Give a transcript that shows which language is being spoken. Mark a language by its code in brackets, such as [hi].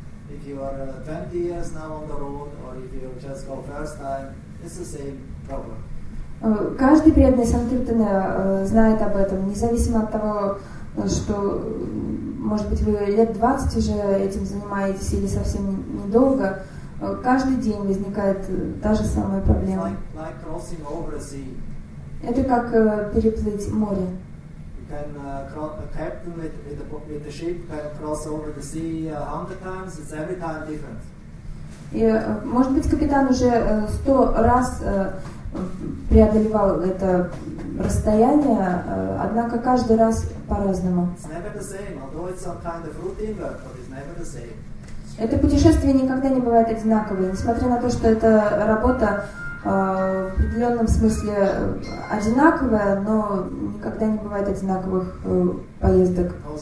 [en] If you are 20 years now on the road, or if you just go first time, it's the same problem. [ru] Каждый преданный санкиртана знает об этом, независимо от того, что, может быть, вы лет 20 уже этим занимаетесь или совсем недолго, каждый день возникает та же самая проблема. [en] Like crossing over a sea. [ru] Это как переплыть море. [en] A captain with the ship can cross over the sea 100 times. It's every time different. [ru] И, может быть, капитан уже 100 раз преодолевал это расстояние, однако каждый раз по-разному. [en] It's never the same. Although it's some kind of routine work, but it's never the same. [ru] Это путешествие никогда не бывает одинаковое, несмотря на то, что это работа. В определенном смысле одинаковая, но никогда не бывает одинаковых поездок.